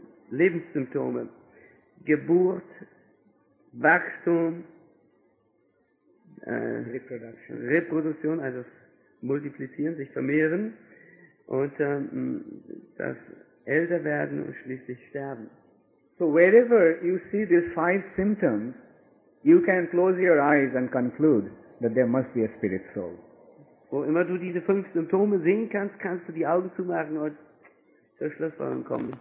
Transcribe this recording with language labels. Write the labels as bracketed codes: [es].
[de] Lebenssymptome, Geburt, Wachstum, Reproduktion, also multiplizieren, sich vermehren und das Älterwerden und schließlich Sterben. [en] So wherever you see these five symptoms, you can close your eyes and conclude that there must be a spirit soul. [de] Wo immer du diese fünf Symptome sehen kannst, kannst du die Augen zumachen und zur Schlussfolgerung kommen.